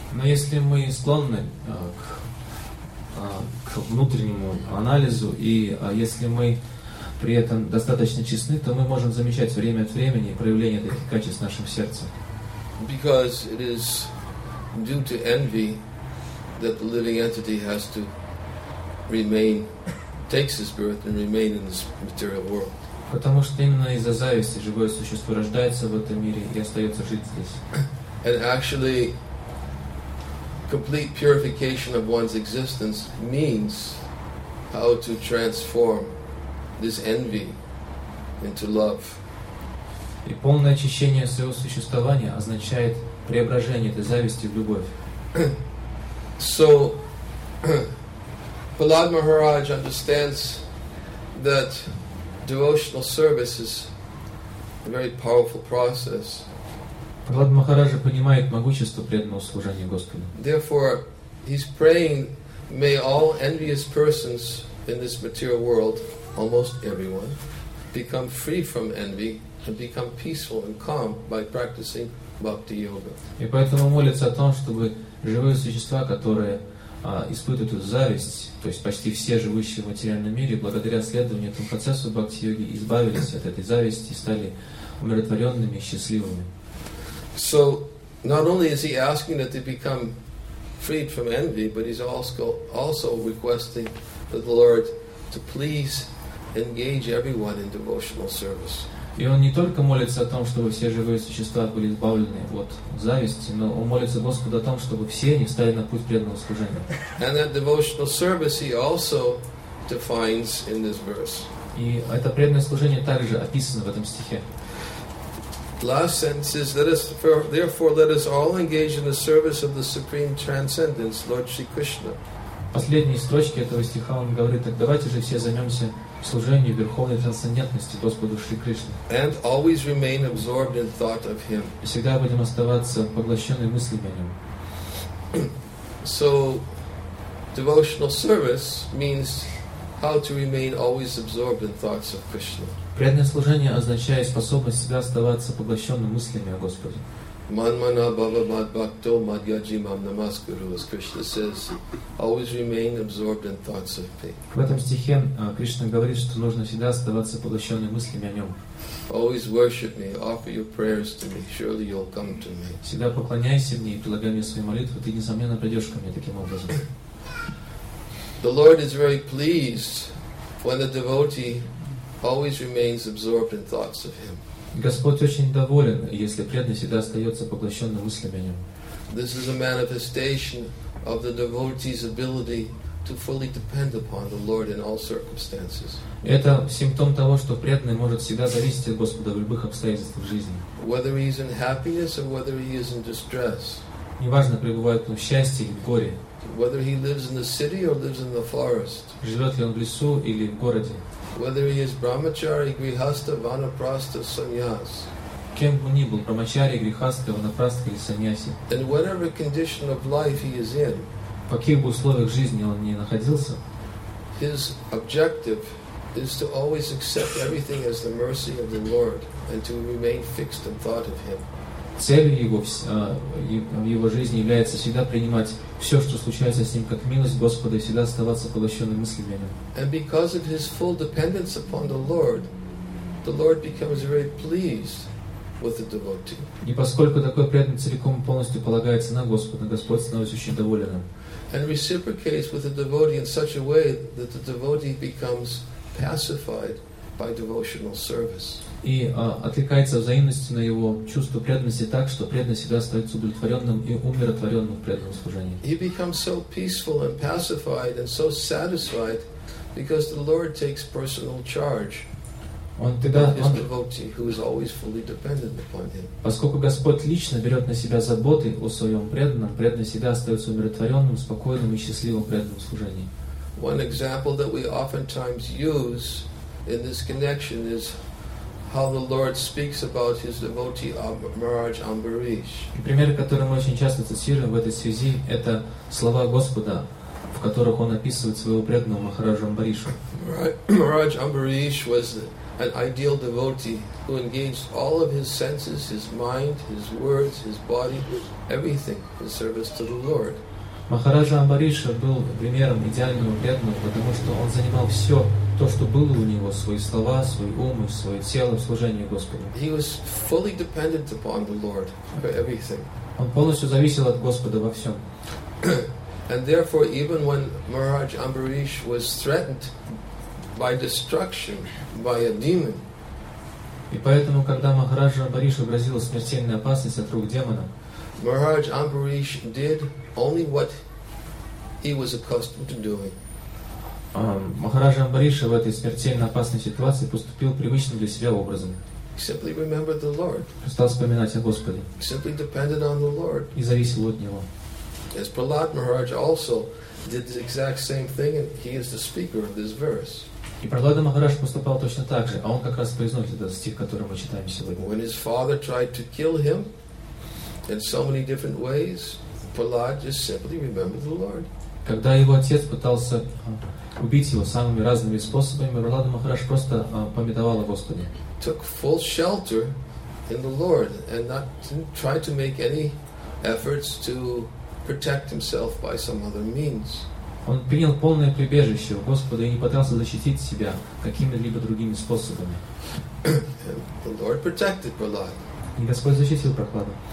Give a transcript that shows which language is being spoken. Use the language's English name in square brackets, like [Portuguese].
[Russian] Но если мы склонны к к внутреннему анализу, и если мы при этом достаточно честны, то мы можем замечать время от времени проявление таких качеств в нашем сердце. [English] Because it is due to envy that the living entity has to remain, takes its birth and remain in this material world. [Russian] Потому что именно из-за зависти живое существо рождается в этом мире и остается жить здесь. [English] And actually, complete purification of one's existence means how to transform this envy into love. [Russian] И полное очищение своего существования означает преображение этой зависти в любовь. [English] So, Prahlad Maharaj understands that devotional service is a very powerful process. [Russian] Прахлад Махараджа понимает могущество преданного служения Господу. [English] Therefore, he's praying, may all envious persons in this material world, almost everyone, become free from envy and become peaceful and calm by practicing bhakti yoga. [Russian] И поэтому молится о том, чтобы живые существа, которые испытывают эту зависть, то есть почти все живущие в материальном мире, благодаря следованию этому процессу бхакти йоги, избавились от этой зависти и стали умиротворенными и счастливыми. [English] So, not only is he asking that they become freed from envy, but he's also requesting that the Lord to please engage everyone in devotional service. [Russian] И он не только молится о том, чтобы все живые существа были избавлены от зависти, но он молится Господу о том, чтобы все они встали на путь преданного служения. [English] And that devotional service he also defines in this verse. [Russian] И это преданное служение также описано в этом стихе. [English] Last sentence is, let us all engage in the service of the Supreme Transcendence, Lord Shri Krishna. [Russian] Последние строчки этого стиха он говорит, так давайте же все займемся служением Верховной Трансцендентности, Господу Шри Кришне. [English] And always remain absorbed in thought of Him. [Russian] И всегда будем оставаться поглощенными мыслями о Нем. [English] So, devotional service means how to remain always absorbed in thoughts of Krishna. [Russian] Преданное служение означает способность всегда оставаться поглощенным мыслями о Господе. [Sanskrit] Манмана бхава мад бхакто мад гаджи мам намаскару, [English] as Krishna says, always remain absorbed in thoughts of me. [Russian] В этом стихе Кришна говорит, что нужно всегда оставаться поглощенным мыслями о Нем. [English] Always worship me, offer your prayers to me, surely you'll come to me. [Russian] Всегда поклоняйся мне и прилагай мне свои молитвы, ты несомненно придешь ко мне таким образом. [English] The Lord is very pleased when the devotee always remains absorbed in thoughts of Him. [Russian] Господь очень доволен, если преданный всегда остается поглощенным мыслями о Нем. [English] This is a manifestation of the devotee's ability to fully depend upon the Lord in all circumstances. [Russian] Это симптом того, что преданный может всегда зависеть от Господа в любых обстоятельствах жизни. [English] Whether he is in happiness or whether he is in distress. [Russian] Неважно, пребывает он в счастье или в горе. [English] Whether he lives in the city or lives in the forest. [Russian] Живет ли он в лесу или в городе. [English] Whether he is brahmachari, grihastha, vanaprastha, sannyas. [Russian] Кем бы ни был, брахмачари, грихастха, ванапрастха или саньяси. [English] In whatever condition of life he is in. [Russian] В каких бы условиях жизни он ни находился. [English] His objective is to always accept everything as the mercy of the Lord and to remain fixed in thought of Him. [Russian] Целью его в его жизни является всегда принимать все, что случается с ним, как милость Господа, и всегда оставаться поглощенным мыслями о нем. [English] And because of his full dependence upon the Lord becomes very pleased with the devotee. [Russian] И поскольку такой преданный целиком и полностью полагается на Господа, Господь становится очень доволен им. [English] And reciprocates with the devotee in such a way that the devotee becomes pacified by devotional service. [Russian] И отвлекается взаимностью на его чувство преданности так, что преданность всегда остается удовлетворенным и умиротворенным в преданном служении. [English] He becomes so peaceful and pacified and so satisfied because the Lord takes personal charge of his devotee who is always fully dependent upon him. [Russian] Поскольку Господь лично берет на себя заботы о своем преданном, преданный всегда остается умиротворенным, спокойным и счастливым в преданном служении. [English] One example that we oftentimes use in this connection is how the Lord speaks about his devotee Maharaj Ambarish. [Russian] Пример, который мы очень часто цитируем в этой связи, это слова Господа, в которых он описывает своего преданного Махараджа Амбариша. [English] Maharaj Ambarish was an ideal devotee who engaged all of his senses, his mind, his words, his body, everything in service to the Lord. [Russian] Махараджа Амбариша был примером идеального преданного, потому что он занимал все то, что было у него, свои слова, свой ум, свое тело в служении Господу. [English] He was fully dependent upon the Lord for everything. [Russian] Он полностью зависел от Господа во всем. [English] And therefore, even when Maharaj Ambarish was threatened by destruction by a demon. [Russian] И поэтому, когда Махараджа Амбаришу грозила смертельная опасность от рук демона, [English] Maharaj Ambarish did only what he was accustomed to doing. [Russian] Махараджа Амбариша в этой смертельно опасной ситуации поступил привычным для себя образом. [English] Simply remember the Lord. [Russian] Просто вспоминать о Господе. [English] Simply depended on the Lord. [Russian] И зависел от Него. [English] As Prahlad Maharaj also did the exact same thing, and he is the speaker of this verse. [Russian] И Прохлада Махарадж поступал точно так же, а он как раз произносит этот стих, который мы читаем сегодня. [English] When his father tried to kill him in so many different ways, Prahlad just simply remembered the Lord. [Russian] Когда его отец пытался убить его самыми разными способами, Прохлада Махарадж просто памятовал о Господе. [English] Took full shelter in the Lord and not try to make any efforts to protect himself by some other means. [Russian] Он принял полное прибежище у Господа и не пытался защитить себя какими-либо другими способами. [English] The Lord protected Prahlad. [Russian] И Господь защитил Прохлада.